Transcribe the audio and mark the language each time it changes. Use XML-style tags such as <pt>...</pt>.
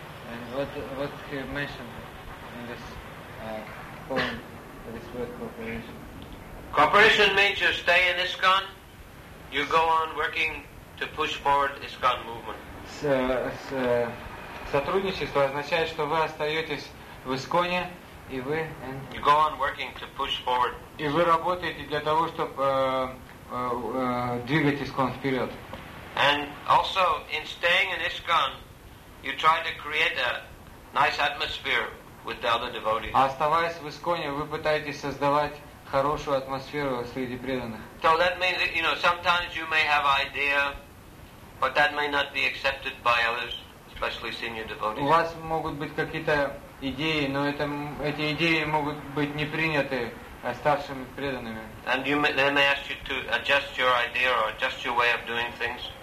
<en>And what he mentioned in this poem, this word cooperation? Cooperation means you stay in ISKCON, you go on working to push forward ISKCON movement.</en> <ru>Сотрудничество означает, что вы остаетесь в ИСККОНе, и вы...</ru> <en>You go on working to push forward.</en> <ru>И вы работаете для того, чтобы... двигать ИСККОН вперед.</ru> <en>And also in staying in ISKCON, you try to create a nice atmosphere with the other devotees.</en> <ru>Оставаясь в ИСККОНе, вы пытаетесь создавать хорошую атмосферу среди преданных.</ru> <en>So that means that, you know, sometimes you may have idea, but that may not be accepted by others, especially senior devotees.</en> <ru>У вас могут быть какие-то идеи, но эти идеи могут быть не приняты старшими преданными.</ru> <en>And you may, they may ask you to adjust your idea or adjust your way of doing things.</en>